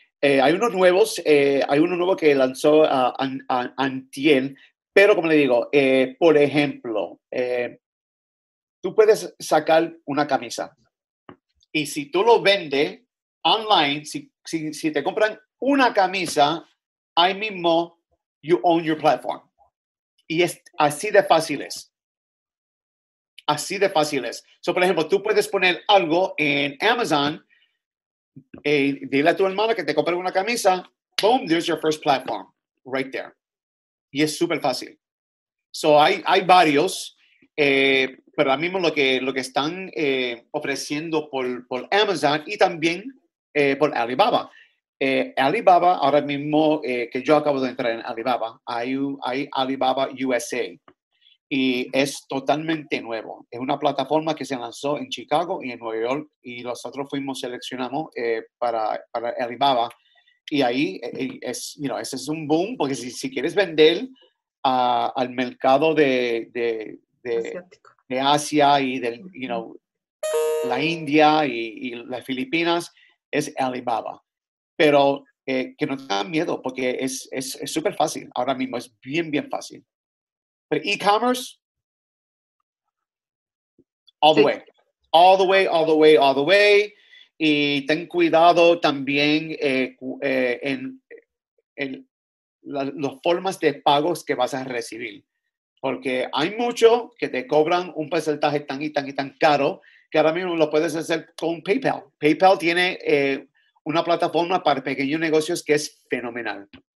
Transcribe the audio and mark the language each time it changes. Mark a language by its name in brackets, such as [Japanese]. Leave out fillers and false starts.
[Spanish] Hay uno nuevo que lanzó Antiel, pero como le digo, por ejemplo, tú puedes sacar una camisa y si tú lo vendes online, si te compran una camisa, ahí mismo you own your platform. Y es así de fácil es. Así de fácil es. So, por ejemplo, tú puedes poner algo en Amazon Dile a tu hermana que te compre una camisa. [English] Boom, there's your first platform right there. [Spanish] Y es súper fácil. So hay varios, pero ahora mismo lo que están ofreciendo por Amazon y también por Alibaba. Alibaba, ahora mismo que yo acabo de entrar en Alibaba, hay Alibaba USA. Y es totalmente nuevo. Es una plataforma que se lanzó en Chicago y en Nueva York. Y nosotros fuimos, seleccionamos para Alibaba. Y ahí es, you know, ese es un boom, porque si quieres vender al mercado de Asia y del, you know, la India y las Filipinas, es Alibaba. Pero que no tengan miedo, porque es súper fácil. Ahora mismo es bien, bien fácil. [English] Pero e-commerce, all the way. All the way, all the way, all the way. [Spanish] Y ten cuidado también en las formas de pagos que vas a recibir. Porque hay muchos que te cobran un porcentaje tan y tan y tan caro que ahora mismo lo puedes hacer con PayPal. PayPal tiene una plataforma para pequeños negocios que es fenomenal.